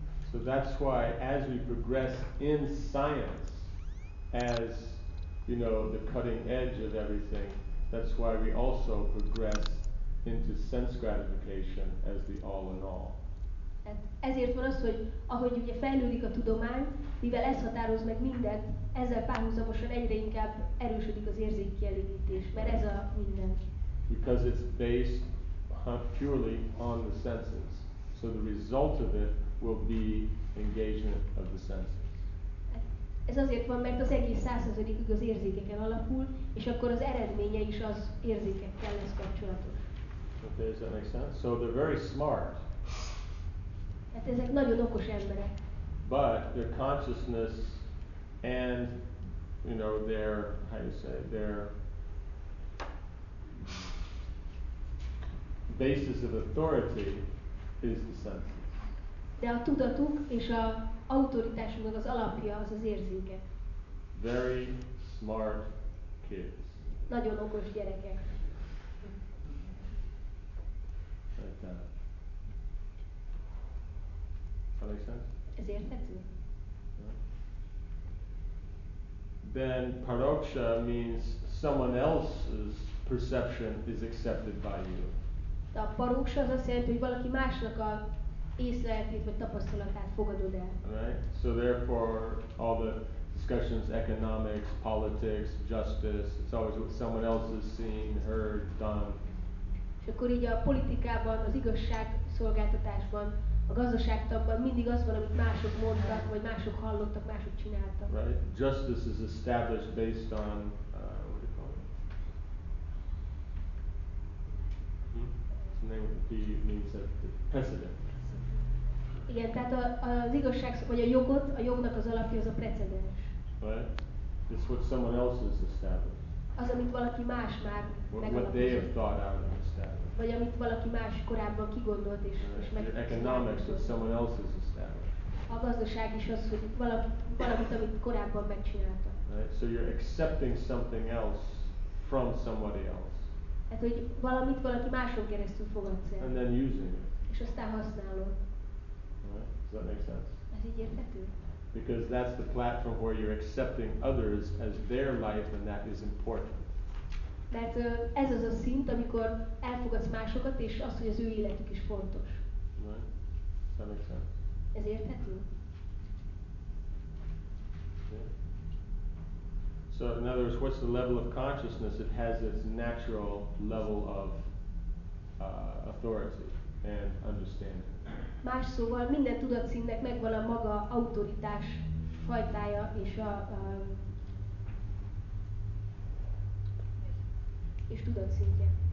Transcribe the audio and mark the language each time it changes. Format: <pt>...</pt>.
<en>So that's why as we progress in science, as you know, the cutting edge of everything, that's why we also progress into sense gratification as the all in all.</en> <hu>Ezért van az, hogy ahogy ugye fejlődik a tudomány, mivel ez határoz meg mindent, ezzel párhuzamosan egyre inkább erősödik az érzékkielégítés, mert ez a minden.</hu> <en>Because it's based purely on the senses. So the result of it will be engagement of the senses.</en> <hu>Ez azért van, mert az egész 100%-ig az érzékeken alapul, és akkor az eredménye is az érzékekkel lesz kapcsolatos.</hu> <en>Okay, does that make sense? So they're very smart.</en> <hu>Hát ezek nagyon okos emberek.</hu> <en>But their consciousness and you know their, how you say, their basis of authority is the senses.</en> <hu>De a tudatuk és a autoritásunknak az alapja az az érzékek.</hu> <en>Very smart kids.</en> <hu>Nagyon okos gyerekek.</hu> <en>Like that. Does that make sense?</en> <hu>Ez érthető?</hu> <en>Then paroksha means someone else's perception is accepted by you.</en> <hu>De a paroksha az azt jelenti, hogy valaki másnak a észlelhetét vagy tapasztalatát fogadod el.</hu> <en>Right? So therefore all the discussions, economics, politics, justice, it's always what someone else has seen, heard, done.</en> <hu>És akkor így a politikában, az igazságszolgáltatásban, a gazdaságtanban mindig az van, amit mások mondtak, vagy mások hallottak, mások csináltak.</hu> <en>Right? Justice is established based on, what do you call it? The name of the P means a precedent.</en> <hu>Igen, tehát az igazság, vagy a jogot, a jognak az alapja az a precedens.</hu> <en>Right? It's what someone else has established.</en> <hu>Az, amit valaki más már megalapozott.</hu> <en>What they have thought out and established.</en> <hu>Vagy amit valaki más korábban kigondolt és megalapozott.</hu> <en>The economics that someone else has established.</en> <hu>A gazdaság is az, hogy valamit, amit korábban megcsináltak.</hu> <en>Right? So you're accepting something else from somebody else.</en> <hu>Hát, hogy valamit valaki máson keresztül fogadsz el.</hu> <en>And then using it.</en> <hu>És aztán használod.</hu> <en>Does that make sense?</en> <hu>Ez így érthető?</hu> <en>Because that's the platform where you're accepting others as their life, and that is important.</en> <hu>Mert ez az a szint, amikor elfogadsz másokat, és az, hogy az ő életük is fontos.</hu> <en>Does that make sense?</en> <hu>Ez érthető?</hu> <en>So in other words, what's the level of consciousness? It has its natural level of authority and understanding.</en> <hu>Más szóval minden tudatszintnek megvan a maga autoritás fajtája és a és tudatszintje.</hu>